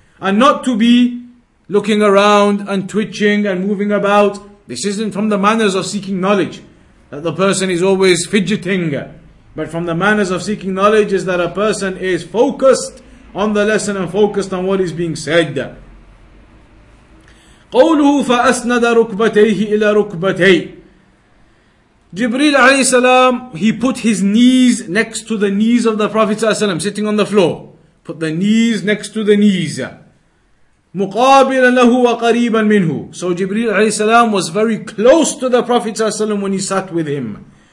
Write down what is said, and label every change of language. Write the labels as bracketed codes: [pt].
[en] And not to be looking around and twitching and moving about. This isn't from the manners of seeking knowledge. that the person is always fidgeting. But from the manners of seeking knowledge is that a person is focused on the lesson and focused on what is being said. [ar] قوله فأسند ركبتيه إلى ركبتي. [en] Jibreel alayhi salam, he put his knees next to the knees of the Prophet salam, sitting on the floor. Put the knees next to the knees. [ar] مقابلا له وقريبا منه. [en] So Jibreel alayhi salam was very close to the Prophet salam when he sat with him.